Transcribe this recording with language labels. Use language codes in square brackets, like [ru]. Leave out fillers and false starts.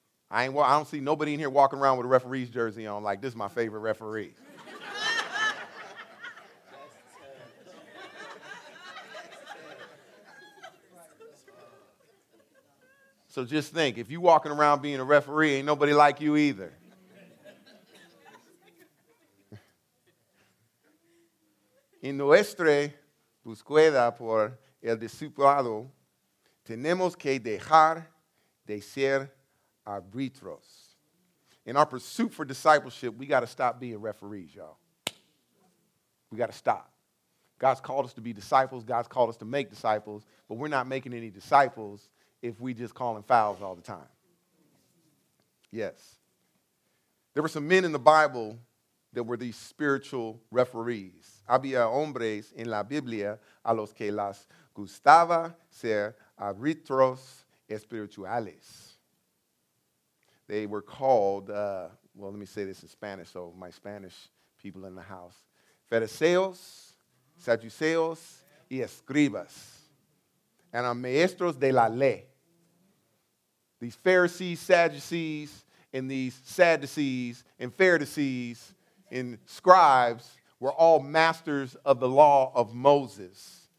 [en] I don't see nobody in here walking around with a referee's jersey on like, this is my favorite referee. So just think, if you're walking around being a referee, ain't nobody like you either. [es] En nuestra búsqueda por el discipulado, tenemos que dejar de ser arbitros. [en] In our pursuit for discipleship, we got to stop being referees, y'all. We got to stop. God's called us to be disciples. God's called us to make disciples. But we're not making any disciples if we just calling fouls all the time. Yes. There were some men in the Bible that were these spiritual referees. [es] Había hombres en la Biblia a los que les gustaba ser árbitros espirituales. [en] They were called, let me say this in Spanish, so my Spanish people in the house, [es] fariseos, saduceos, y escribas. [en] And I'm [es] maestros de la ley. [en] These Pharisees, Sadducees, and these Sadducees, and Pharisees, and scribes were all masters of the law of Moses.